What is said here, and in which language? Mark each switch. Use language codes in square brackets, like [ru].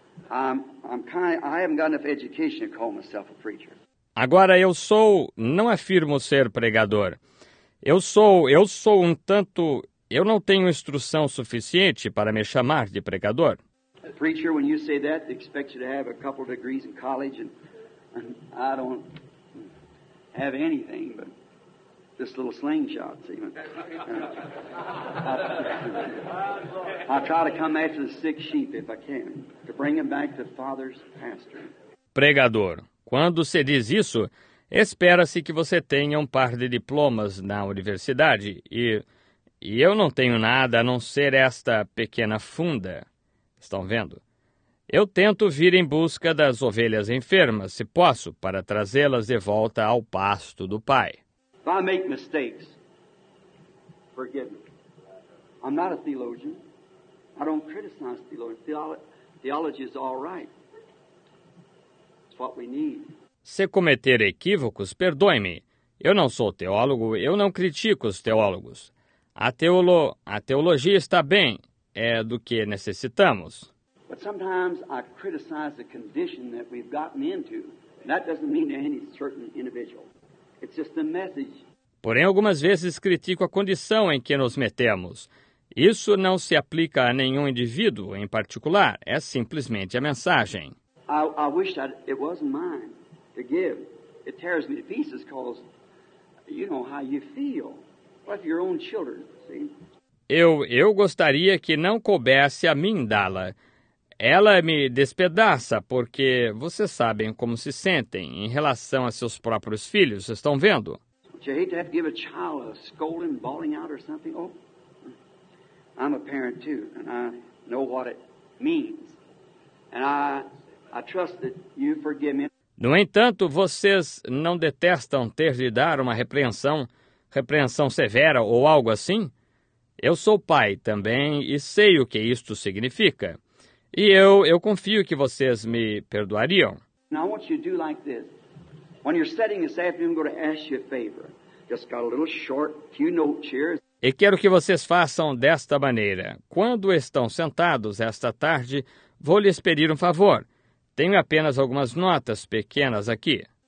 [en] I haven't got enough education to call myself a preacher. [pt] Agora eu sou, não afirmo ser pregador. Eu sou um tanto, eu não tenho instrução suficiente para me chamar de pregador. [en] A preacher, when you say that, they expect you to have a couple of degrees in college, and I don't have anything but this little slingshot, even. I try to come after the sick sheep if I can, to bring them back to the father's pastor. [pt] Pregador. Quando se diz isso, espera-se que você tenha um par de diplomas na universidade. E eu não tenho nada a não ser esta pequena funda. Estão vendo? Eu tento vir em busca das ovelhas enfermas, se posso, para trazê-las de volta ao pasto do Pai. [en] If I make mistakes, forgive me. I'm not a theologian. I don't criticize theologians. Theology is all right. It's what we need. [pt] Se cometer equívocos, perdoe-me. Eu não sou teólogo, eu não critico os teólogos. A teologia está bem, é do que necessitamos. [en] But sometimes I criticize the condition that we've gotten into. That doesn't mean to any certain individual. It's just the message. [pt] Porém, algumas vezes critico a condição em que nos metemos. Isso não se aplica a nenhum indivíduo em particular, é simplesmente a mensagem. [en] I wish that it wasn't mine. To give, it tears me to pieces because you know how you feel. What if your own children, see? [pt] Eu gostaria que não coubesse a mim dá-la. Ela me despedaça porque vocês sabem como se sentem em relação a seus próprios filhos. Estão vendo? [en] Don't you hate to have to give a child a scolding, bawling out or something? Oh, I'm a parent too, and I know what it means. And I trust that you forgive me. [pt] No entanto, vocês não detestam ter de dar uma repreensão severa ou algo assim? Eu sou pai também e sei o que isto significa. E eu confio que vocês me perdoariam. [en] Now, I want you to do like this. When you're studying this afternoon, I'm going to ask you a favor. Just got a little short few notes here. [pt] E quero que vocês façam desta maneira. Quando estão sentados esta tarde, vou lhes pedir um favor. Tenho apenas algumas notas pequenas aqui.